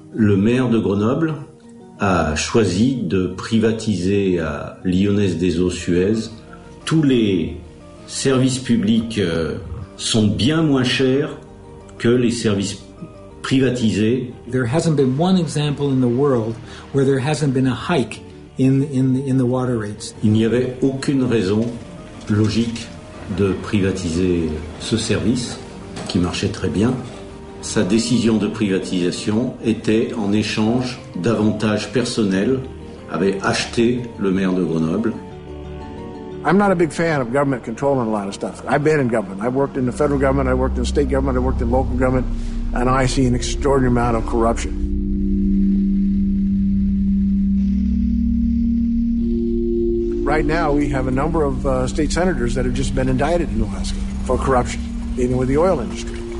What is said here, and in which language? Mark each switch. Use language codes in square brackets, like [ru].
[fr] Le maire de Grenoble a choisi de privatiser à Lyonnaise des Eaux Suez. Tous les services publics sont bien moins chers que les services privatisés. [en] There hasn't been one example in the world where there hasn't been a hike in the water rates. [fr] Il n'y avait aucune raison logique de privatiser ce service qui marchait très bien. Sa décision de privatisation était en échange d'avantages personnels, avait acheté le maire de Grenoble. [en] I'm not a big fan of government controlling a lot of stuff. I've been in government. I've worked in the federal government, I worked in the state government, I worked in local government, and I see an extraordinary amount of corruption. Right now, we have a number of state senators that have just been indicted in Alaska for corruption, even with the oil industry.